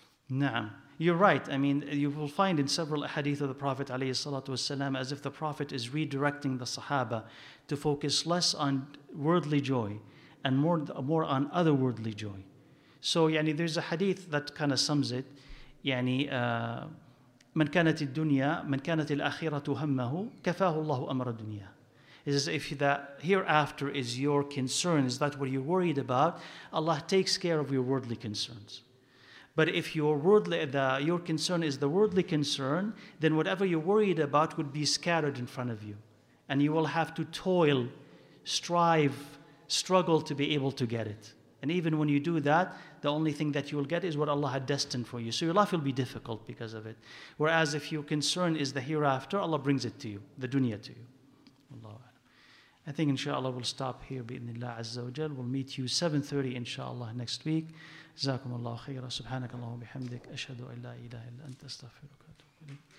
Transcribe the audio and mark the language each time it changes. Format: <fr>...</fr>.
<en>Na'am. You're right. I mean, you will find in several hadith of the Prophet alayhi salatu wasalam as if the Prophet is redirecting the Sahaba to focus less on worldly joy and more on otherworldly joy. So, yani, there's a hadith that kind of sums it.</en> <ar>Yani, من كانت الدنيا من كانت الأخيرة همه كفاه الله أمر الدنيا.</ar> <en>It is if the hereafter is your concern, is that what you're worried about? Allah takes care of your worldly concerns. But if your concern is the worldly concern, then whatever you're worried about would be scattered in front of you. And you will have to toil, strive, struggle to be able to get it. And even when you do that, the only thing that you will get is what Allah had destined for you. So your life will be difficult because of it. Whereas if your concern is the hereafter, Allah brings it to you, the dunya to you. Allah. I think inshallah we'll stop here. Bi-idhnillah azza wa jal. We'll meet you 7:30 inshallah next week.</en> <ar>جزاكم الله خيرا سبحانك اللهم وبحمدك أشهد أن لا إله إلا أنت أستغفرك وأتوب إليك</ar>